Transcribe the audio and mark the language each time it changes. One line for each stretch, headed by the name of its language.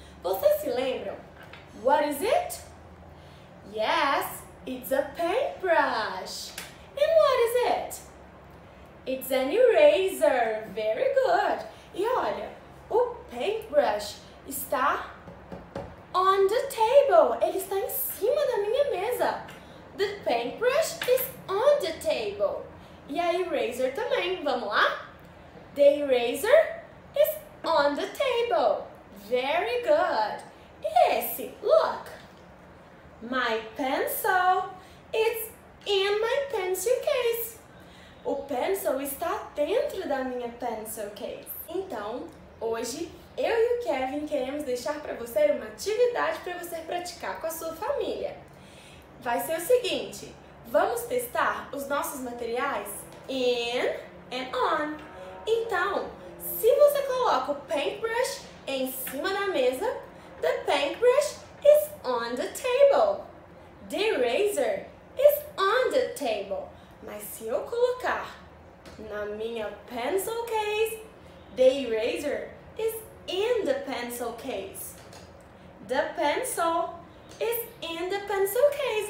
Portuguese: Vocês se lembram?
English: What is it? Yes, it's a paintbrush. And what is it? It's an eraser. Very good.
Portuguese: E olha, o paintbrush está
English: on the table.
Portuguese: Ele está em cima da minha mesa.
English: The paintbrush is on the table.
Portuguese: E a eraser também. Vamos lá?
English: The eraser is on the table. Very good.
Portuguese: E esse?
English: Look. My pencil. It's in my pencil case.
Portuguese: O pencil está dentro da minha pencil case. Então, hoje, eu e o Kevin queremos deixar para você uma atividade para você praticar com a sua família. Vai ser o seguinte, vamos testar os nossos materiais in and on. Então, se você coloca o paintbrush em cima da mesa,
English: the paintbrush is on the table. The eraser is on the table.
Portuguese: Mas se eu colocar na minha
English: pencil case, the eraser is in the pencil case. The pencil is in the pencil case.